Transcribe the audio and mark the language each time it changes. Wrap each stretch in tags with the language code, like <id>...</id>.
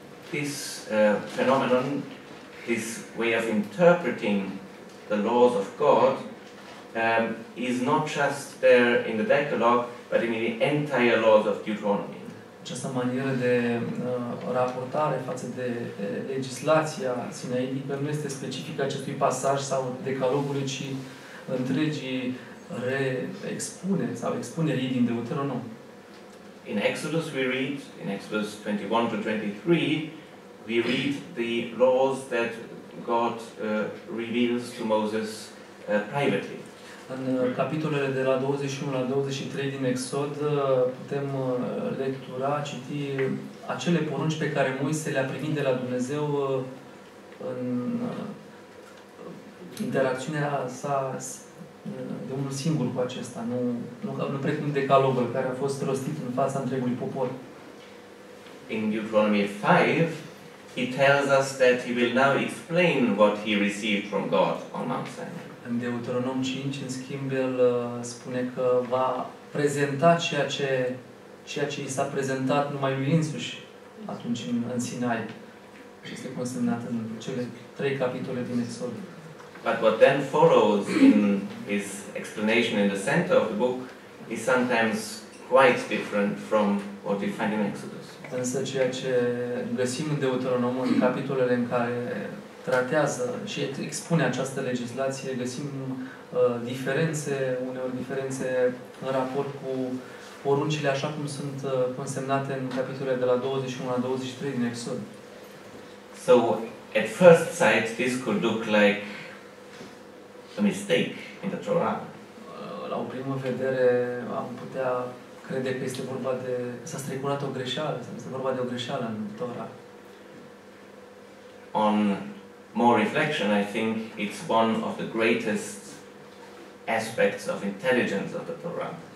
<en>This phenomenon, this way of interpreting the laws of God, is not just there in the Decalogue, but in the entire laws of Deuteronomy.</en> <ro>Această manieră de raportare față de legislația sinaitică nu este specifică acestui pasaj sau decalogului, ci întregii re-expune sau expunerii din Deuteronom.</ro> <en>In Exodus we read, in Exodus 21 to 23, we read the laws that God reveals to Moses privately.</en> <ro>În capitolele de la 21 la 23 din Exod putem lectura, citi acele porunci pe care Moise le-a primit de la Dumnezeu în interacțiunea sa de unul singur cu acesta, nu precum decalogul care a fost rostit în fața întregului popor.</ro> <en>In Deuteronomy 5, he tells us that he will now explain what he received from God on Mount Sinai.</en> <ro>În Deuteronom 5, în schimb, el spune că va prezenta ceea ce i s-a prezentat numai lui însuși atunci în Sinai. Este consemnat în cele trei capitole din Exod.</ro> <en>But what then follows in his explanation in the center of the book is sometimes quite different from what we find in Exodus.</en> <ro>Însă ceea ce găsim în Deuteronom, în capitolele în care tratează și expune această legislație, găsim diferențe, uneori diferențe în raport cu poruncile așa cum sunt consemnate în capitolele de la 21 la 23 din Exod.</ro> <en>So, at first sight, this could look like a mistake in the Torah.</en> <ro>La o primă vedere, am putea crede că este vorba de... s-a strecurat o greșeală, este vorba de o greșeală în Torah.</ro> <en>On more reflection, I think it's one of the greatest aspects of intelligence of the Torah.</en>